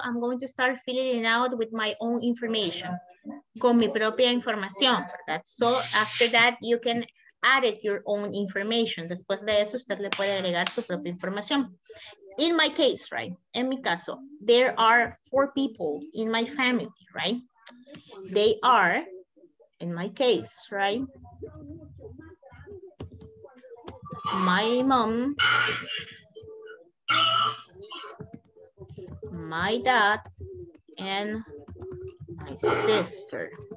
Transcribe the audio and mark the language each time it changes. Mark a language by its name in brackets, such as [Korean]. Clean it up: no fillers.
[English] I'm going to start filling out with my own information. [Spanish] Con mi propia información, ¿verdad? [English] So after that, you can added your own information. [Spanish] Después de eso, usted le puede agregar su propia información. [English] In my case, right? [Spanish] En mi caso, [English] there are 4 people in my family, right? They are, in my case, right? My mom, my dad, and my sister.